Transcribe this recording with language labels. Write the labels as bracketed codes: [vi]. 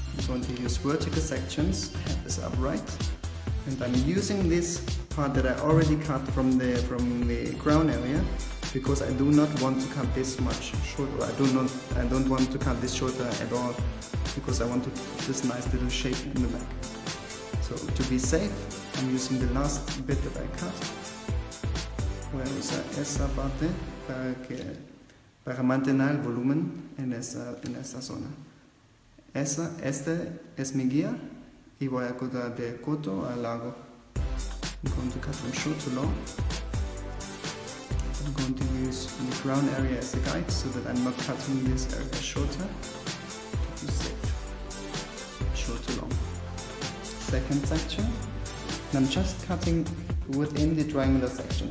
[en] I'm going to use vertical sections, head is upright. And I'm using this part that I already cut from the crown area, because I do not want to cut this much shorter. I don't want to cut this shorter at all, because I want to keep this nice little shape in the back. So to be safe, I'm using the last bit that I cut. [es] Voy a usar esa parte para mantener el volumen en esa zona. Este es mi guía y voy a cortar de corto a largo. [en] I'm going to cut from short to long. I'm going to use the crown area as a guide so that I'm not cutting this area shorter. To be safe. Short to long. Second section. And I'm just cutting within the triangular section.